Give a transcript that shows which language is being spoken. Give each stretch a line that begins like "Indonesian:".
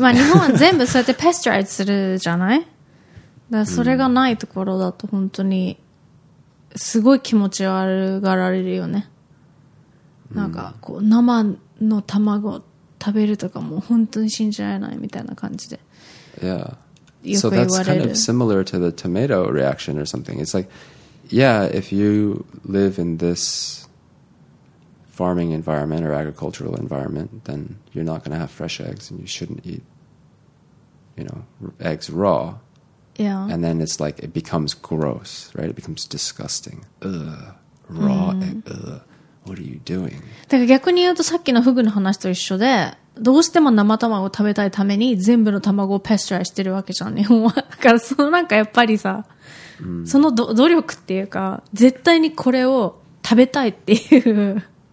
Japanese: まあ、日本は全部そうやってペスチャイズするじゃない？だからそれがないところだと本当にすごい気持ち悪がられるよね。なんかこう生の卵食べるとかも本当に信じられないみたいな感じで。
English: Yeah. So that's kind of similar to the tomato reaction or something. It's like, yeah, if you live in this farming environment or agricultural environment, then you're not going to have fresh eggs and you shouldn't eat, you know, eggs raw. Yeah. And then it's like, it becomes gross, right? It becomes disgusting. Ugh. Raw egg. Ugh. What are you doing?
Japanese: だから逆に言うとさっきのフグの話と一緒で、どうしても生卵を食べたいために全部の卵をペスチャーしてるわけじゃん、日本は。だからそのなんかやっぱりさ、その努力っていうか、絶対にこれを食べたいっていう。